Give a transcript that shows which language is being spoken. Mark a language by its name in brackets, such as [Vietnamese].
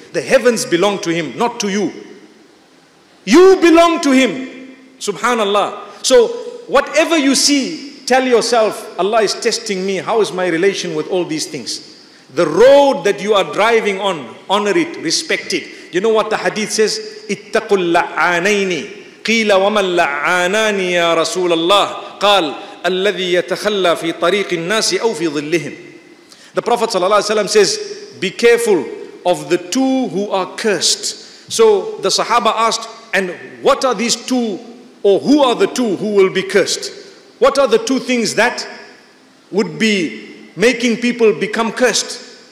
[English] The heavens belong to Him, not to you. You belong to Him. Subhanallah. So whatever you see, tell yourself, Allah is testing me. How is my relation with all these things? The road that you are driving on, honor it, respect it. You know what the hadith says? [Arabic] اتقوا اللعانين قيل ومن لعانان يا رسول الله قال الذي يتخلى في طريق الناس أو في ظلهم. [English] The Prophet sallallahu alaihi wasallam says, be careful of the two who are cursed. So the Sahaba asked, and what are these two, or who are the two who will be cursed? What are the two things that would be making people become cursed?